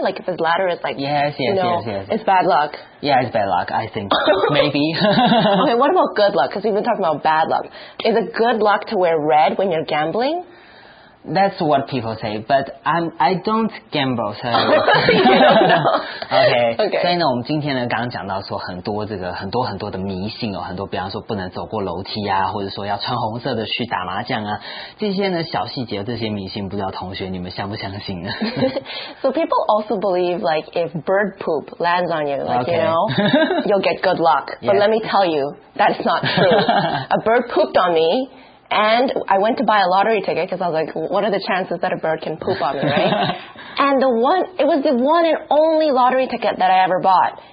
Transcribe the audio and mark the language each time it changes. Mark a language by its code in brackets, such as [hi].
[en] Like if the ladder is like, yes. It's bad luck. Yeah, it's bad luck, I think. Maybe. Okay, what about good luck? Because we've been talking about bad luck. Is it good luck to wear red when you're gambling? That's what people say, but I don't gamble, so... Okay. [zh] 所以呢，我们今天呢，刚刚讲到说很多这个很多很多的迷信哦，很多比方说不能走过楼梯啊，或者说要穿红色的去打麻将啊，这些呢小细节，这些迷信，不知道同学你们相不相信呢 [en] ？So people also believe like if bird poop lands on you, like okay. You know, you'll get good luck. But yeah. Let me tell you, that's not true. A bird pooped on me. And I went to buy a lottery ticket because I was like, what are the chances that a bird can poop on me, right? And it was the one and only lottery ticket that I ever bought.